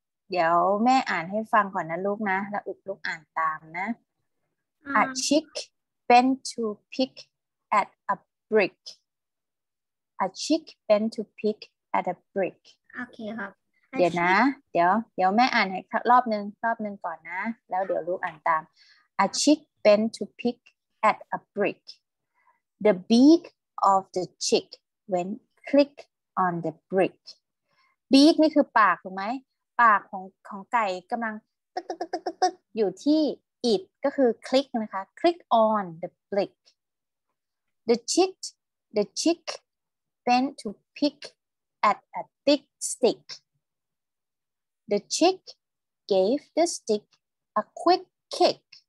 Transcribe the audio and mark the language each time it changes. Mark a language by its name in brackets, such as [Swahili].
[Thai] เดี๋ยวแม่อ่านให้ฟังก่อนนะลูกนะแล้วอุกลูกอ่านตามนะ [English] A chick bent to pick at a brick. A chick bent to pick at a brick. [Thai] โอเคครับ เดี๋ยวนะเดี๋ยวแม่อ่านให้รอบนึงก่อนนะแล้วเดี๋ยวลูกอ่านตาม [English] A chick bent to pick at a brick. The beak of the chick went click on the brick. Beak [Thai] นี่คือปากถูกไหมปากของไก่กำลังตึ๊กตึ๊กตึ๊กตึ๊กตึ๊กอยู่ที่ [English] It [Thai] ก็คือ [English] click [Thai] นะคะ [English] click on the brick the chick bent to pick at a thick stick the chick gave the stick a quick kick